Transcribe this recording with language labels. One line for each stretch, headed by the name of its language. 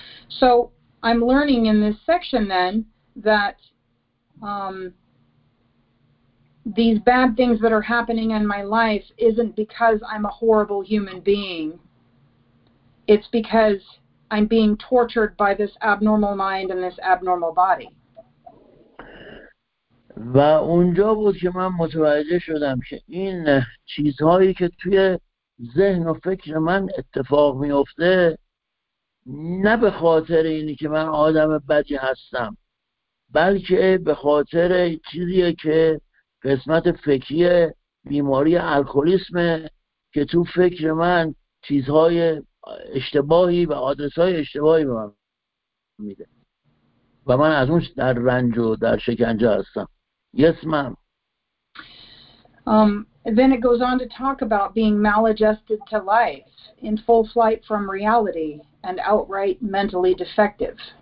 English: So, I'm learning in this section then that these bad things that are happening in my life isn't because I'm a horrible human being. It's because I'm being tortured by this abnormal mind and this abnormal body.
Persian: و اونجا بود که من متوجه شدم که این چیزهایی که توی ذهن و فکر من اتفاق میفته نه به خاطر اینی که من آدم بدی هستم، بلکه به خاطر چیزیه که قسمت فکری بیماری الکلیسمه که تو فکر من چیزهای اشتباهی و آدرس‌های اشتباهی به من میده و من از اون در رنج و در شکنجه هستم.
English: Yes, ma'am. Then it goes on to talk about being maladjusted to life, in full flight from reality, and outright mentally defective.